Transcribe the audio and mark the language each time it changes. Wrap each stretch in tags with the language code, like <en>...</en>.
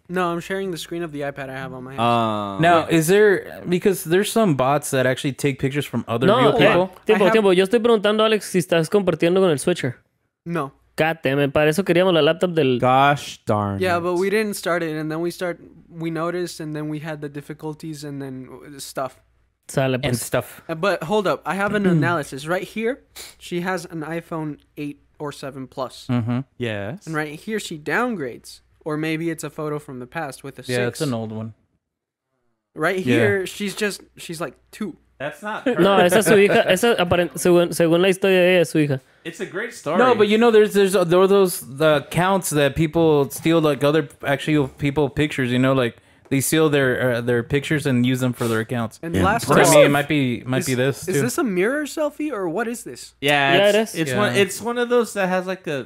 <en>No, I'm sharing the screen of the iPad I have on my hand. Now, is there... Because there's some bots that actually take pictures from other no, real people.</en> <es>No, tiempo. Yo estoy preguntando, Alex, si estás compartiendo con el switcher. No.</es> <en>God damn it.</en> <es>Para eso queríamos la laptop del...</es> <en>Gosh darn. Yeah, but we didn't start it. And then we noticed, and then we had the difficulties and then stuff. And stuff. But hold up. I have an analysis. Right here, she has an iPhone 8 or 7 Plus. Mm-hmm. Yes. And right here, she downgrades. Or maybe it's a photo from the past with a 6. Yeah, it's an old one. Right here, yeah. she's like 2. That's not her.</en> <es>No, esa es su hija. Esa aparente, según la historia de ella, es su hija.</es> <en>It's a great story. No, but you know, there are those accounts that people steal, like, other actual people pictures, you know, like... They steal their pictures and use them for their accounts. And yeah. Last time, it might be this. Is too. This a mirror selfie or what is this? Yeah, it is. It's one of those that has like a</en>